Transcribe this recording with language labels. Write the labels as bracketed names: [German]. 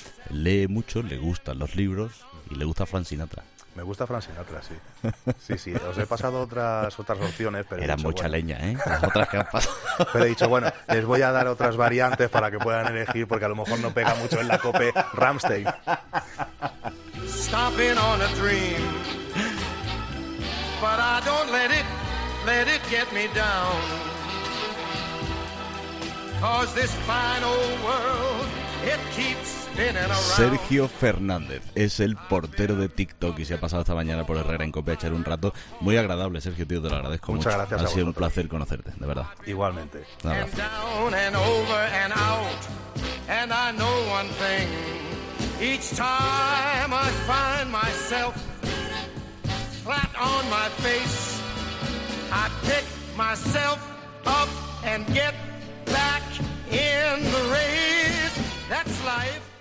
[Spanish] Lee mucho, le gustan los libros y le gusta Frank Sinatra. Me gusta Frank Sinatra, sí. Sí, os he pasado otras opciones, pero... Eran mucha leña, ¿eh? Las otras que han pasado. Pero he dicho, bueno, les voy a dar otras variantes para que puedan elegir, porque a lo mejor no pega mucho en la COPE Rammstein. [English] Stomping on a dream, but I don't let it get me down, 'cause this fine old world, it keeps... [Spanish] Sergio Fernández es el portero de TikTok y se ha pasado esta mañana por Herrera en COPE a echar un rato. Muy agradable, Sergio, tío, te lo agradezco mucho. Muchas gracias. Ha sido un placer conocerte, de verdad. Igualmente. Un abrazo. [English] Down and over and out, and I know one thing. Each time I find myself flat on my face, I pick myself up and get back in the race. That's life.